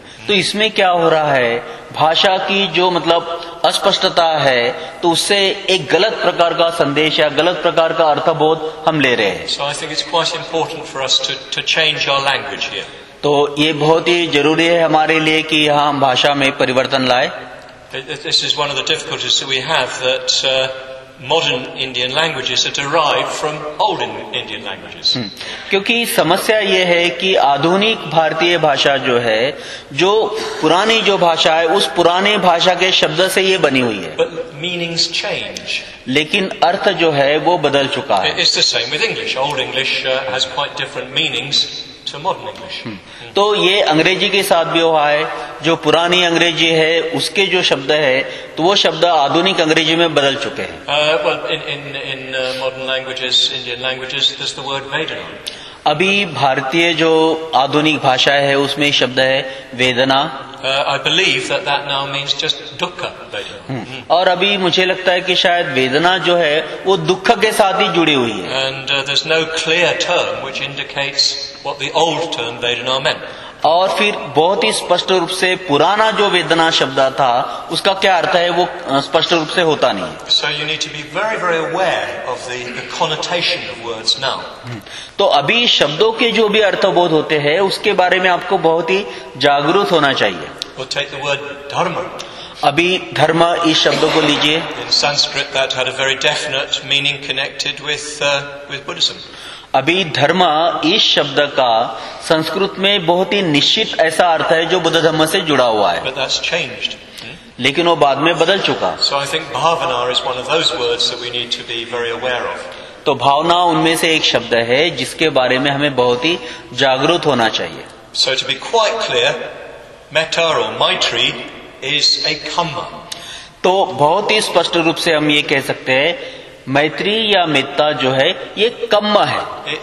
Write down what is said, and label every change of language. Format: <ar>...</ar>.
<hi>तो इसमें क्या हो रहा है भाषा की जो मतलब अस्पष्टता है तो उससे एक गलत प्रकार का संदेश या गलत प्रकार का अर्थबोध हम ले रहे हैं.</hi> <en>So I think it's quite important for us to change our language here.</en> <hi>तो ये बहुत ही जरूरी है हमारे लिए कि यहाँ हम भाषा में परिवर्तन लाए.</hi> <en>This is one of the difficulties that we have, that modern Indian languages are derived from old Indian languages.</en> <hi>क्योंकि समस्या ये है कि आधुनिक भारतीय भाषा जो है जो पुरानी जो भाषा है उस पुराने भाषा के शब्द से ये बनी हुई है.</hi> <en>But meanings change.</en> <hi>लेकिन अर्थ जो है वो बदल चुका है.</hi> <en>It's the same with English. Old English has quite different meanings to modern English.</en> <hi>तो ये अंग्रेजी के साथ भी हुआ है. जो पुरानी अंग्रेजी है उसके जो शब्द है तो वो शब्द आधुनिक अंग्रेजी में बदल चुके हैं.</hi> <en>In modern languages, Indian languages, there's the word vedana.</en> <hi>अभी भारतीय जो आधुनिक भाषा है उसमें शब्द है वेदना.</hi> <en>I believe that now means just dukkha.</en> <hi>और अभी मुझे लगता है कि शायद वेदना जो है वो दुख के साथ ही जुड़ी हुई है.</hi> <en>And there's no clear term which indicates what the old term vedana meant.</en> <hi>और फिर बहुत ही स्पष्ट रूप से पुराना जो वेदना शब्द था उसका क्या अर्थ है वो स्पष्ट रूप से होता नहीं.</hi> <en>So you need to be very, very aware of the connotation of words now.</en> <hi>तो अभी शब्दों के जो भी अर्थबोध होते हैं उसके बारे में आपको बहुत ही जागरूक होना चाहिए.</hi> <en>We'll take the word dharma.</en> <hi>अभी धर्म इस शब्द को लीजिए.</hi> <en>In Sanskrit that had a very definite meaning connected with Buddhism.</en> <hi>अभी धर्म इस शब्द का संस्कृत में बहुत ही निश्चित ऐसा अर्थ है जो बुद्ध धर्म से जुड़ा हुआ है.</hi> <en>But that's changed.</en> <hi>लेकिन वो बाद में बदल चुका.</hi> <en>So I think bhavana is one of those words that we need to be very aware of.</en> <hi>तो भावना उनमें से एक शब्द है जिसके बारे में हमें बहुत ही जागरूक होना चाहिए.</hi> <en>So to be quite clear, metta or maitri is a kamma.</en> <hi>तो बहुत ही स्पष्ट रूप से हम ये कह सकते हैं मैत्री या मित्ता जो है ये कम्म है.</hi>